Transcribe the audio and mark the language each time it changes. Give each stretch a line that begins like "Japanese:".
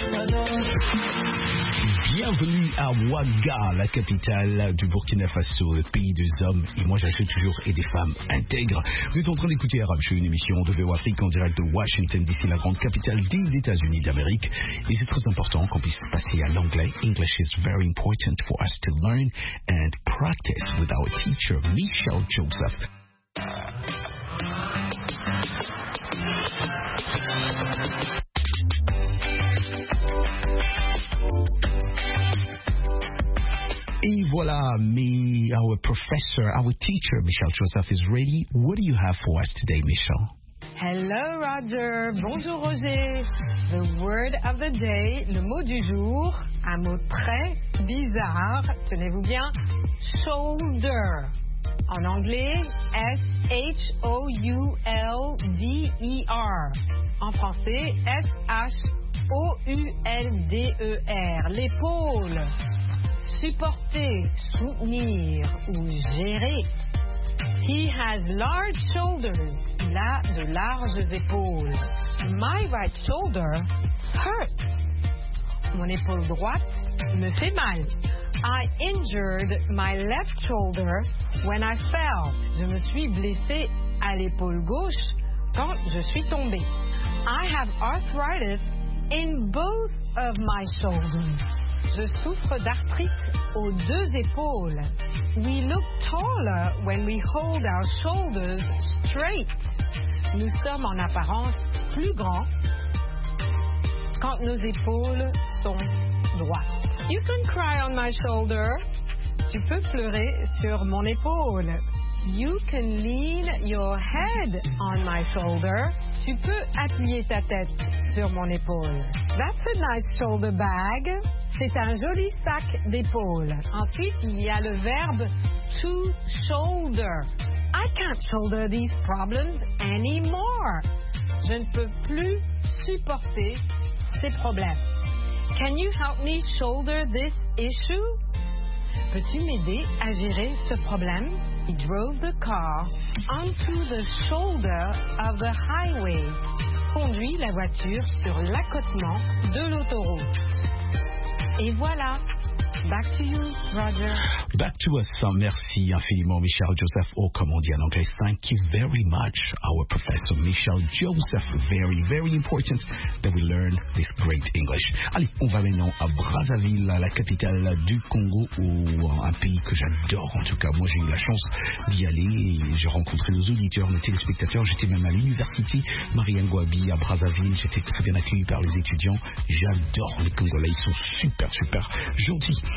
French: Bienvenue à Ouaga, la capitale du Burkina Faso, le pays des hommes, et moi j'achète toujours et des femmes intègres. Vous êtes en train d'écouter Arab Show, une émission de VO Afrique en direct de Washington DC, la grande capitale des États-Unis d'Amérique. Et c'est très important qu'on puisse passer à l'anglais.
English: English is very important for us to learn and practice with our teacher, Michel Joseph.
French: Et voilà,
English: our professor, our teacher, Michel Joseph, is ready. What do you have for us today, Michel? Hello Roger,
French: bonjour Roger.
English: The word of the day,
French: le mot du jour, un mot très bizarre, tenez-vous bien, shoulder. En anglais, S-H-O-U-L-D-E-R. En français, S-H-O-U-L-D-E-R. L'épaule, supporter, soutenir ou gérer.
English: He has large shoulders.
French: Il a de larges épaules.
English: My right shoulder hurts.
French: Mon épaule droite me fait mal.
English: I injured my left shoulder when I fell.
French: Je me suis blessée à l'épaule gauche quand je suis tombée.
English: I have arthritis in both of my shoulders.
French: Je souffre d'arthrite aux deux épaules.
English: We look taller when we hold our shoulders straight.
French: Nous sommes en apparence plus grands quand nos épaules sont droites.
English: You can cry on my shoulder.
French: Tu peux pleurer sur mon épaule.
English: You can lean your head on my shoulder.
French: Tu peux appuyer ta tête sur mon épaule.
English: That's a nice shoulder bag.
French: C'est un joli sac d'épaule. Ensuite, il y a le verbe to shoulder.
English: I can't shoulder these problems anymore.
French: Je ne peux plus supporter ces problèmes.
English: Can you help me shoulder this issue?
French: Peux-tu m'aider à gérer ce problème?
English: He drove the car onto the shoulder of the highway.
French: Conduit la voiture sur l'accotement de l'autoroute. Et voilà.
English: Back to you, Roger. Back to us.
French: Merci infiniment, Michel Joseph. Oh, comme on dit en anglais.
English: Thank you very much, our professor Michel Joseph. Very, very important that we learn this great English.
French: Allez, on va maintenant à Brazzaville, la capitale du Congo, ou un pays que j'adore. En tout cas, moi, j'ai eu la chance d'y aller. J'ai rencontré nos auditeurs, nos téléspectateurs. J'étais même à l'université Marianne Gwabi à Brazzaville. J'étais très bien accueilli par les étudiants. J'adore les Congolais. Ils sont super, super gentils.